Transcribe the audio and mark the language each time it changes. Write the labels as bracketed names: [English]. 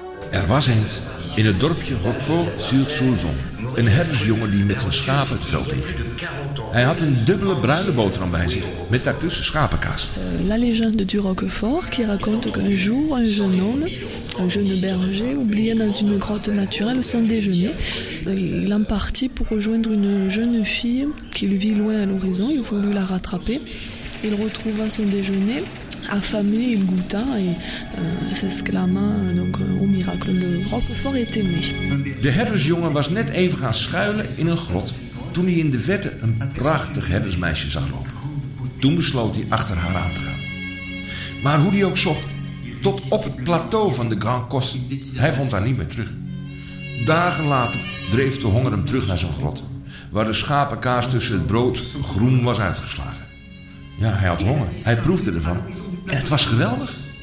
[Dutch] Er was eens in het dorpje Hotvoort-sur-Soulzon een herdersjongen die met zijn schapen het veld in ging. Hij had een dubbele bruine boterham bij zich, met daartussen schapenkaas. [French] La légende du Roquefort, qui raconte qu'un jour, un jeune homme, un jeune berger, oublié dans une grotte naturelle son déjeuner, il en partit pour rejoindre une jeune fille qu'il vit loin à l'horizon, il voulut la rattraper. Il retrouva son déjeuner, affamé, il goûta et s'exclama donc au miracle de Roquefort est aimé. [Dutch] De herdersjongen was net even gaan schuilen in een grot toen hij in de verte een prachtig herdersmeisje zag lopen. Toen besloot hij achter haar aan te gaan. Maar hoe hij ook zocht, tot op het plateau van de Grand Coste, hij vond haar niet meer terug. Dagen later dreef de honger hem terug naar zijn grot, waar de schapenkaas tussen het brood groen was uitgeslagen. Ja, hij had honger. Hij proefde ervan. En het was geweldig.